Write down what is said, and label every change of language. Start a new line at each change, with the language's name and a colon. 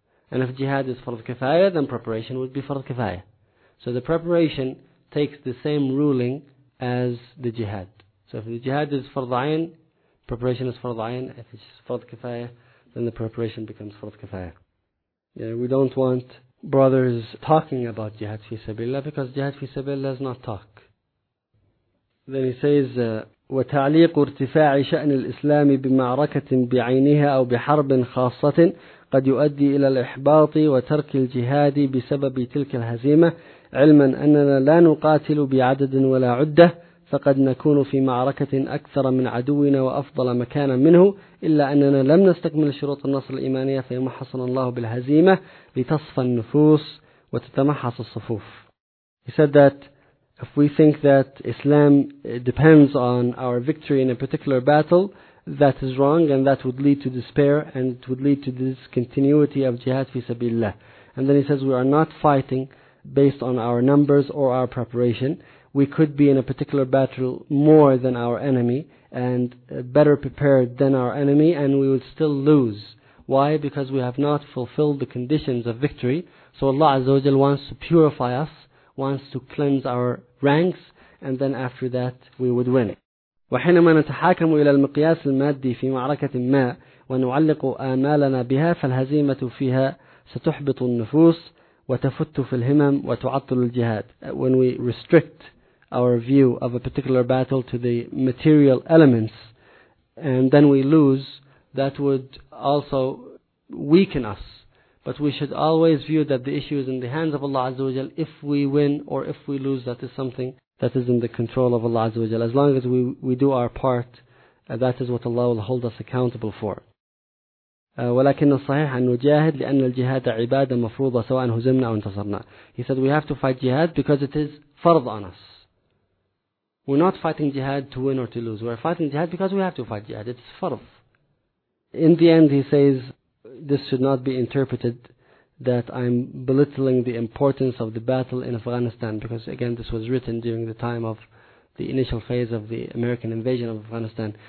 English: And if jihad is fard kifaya, then preparation would be fard kifaya. So the preparation takes the same ruling as the jihad. So if the jihad is fard ayn, preparation is fard ayn. If it's fard kifaya, then the preparation becomes fard kifaya. Yeah, we don't want brothers talking about jihad fi sabilillah, because jihad fi sabilillah is not talk. Then he says,
Arabic: وتعليق ارتفاع شأن الإسلام بمعركة بعينها أو بحرب خاصة قد يؤدي إلى الإحباط وترك الجهاد بسبب تلك الهزيمة علما أننا لا نقاتل بعدد ولا عدة فقد نكون في معركة أكثر من عدونا وأفضل مكانا منه إلا أننا لم نستكمل شروط النصر الإيمانية فيمحصنا الله بالهزيمة لتصفى النفوس وتتمحص الصفوف.
English: He said that if we think that Islam depends on our victory in a particular battle, that is wrong, and that would lead to despair, and it would lead to discontinuity of jihad fi sabilillah. And then he says, we are not fighting based on our numbers or our preparation. We could be in a particular battle more than our enemy, and better prepared than our enemy, and we would still lose. Why? Because we have not fulfilled the conditions of victory. So Allah Azza wa Jal wants to purify us, wants to cleanse our ranks, and then after that we would win.
Arabic: وحينما نتحاكم إلى المقياس المادي في معركة ما ونعلق آمالنا بها فالهزيمة فيها ستحبط النفوس وتفت في الهمم وتعطل الجهاد.
English: When we restrict our view of a particular battle to the material elements and then we lose, that would also weaken us. But we should always view that the issue is in the hands of Allah Azza wa Jal. If we win or if we lose, that is something that is in the control of Allah Azza wa Jal. As long as we do our part, that is what Allah will hold us accountable for.
Arabic: ولكن الصحيح أن نجاهد لأن الجهاد عبادة مفروضة سواء هزمنا أو انتصرنا.
English: He said we have to fight jihad because it is fard on us. We're not fighting jihad to win or to lose. We're fighting jihad because we have to fight jihad. It's fard. In the end, he says, this should not be interpreted that I'm belittling the importance of the battle in Afghanistan, because again, this was written during the time of the initial phase of the American invasion of Afghanistan.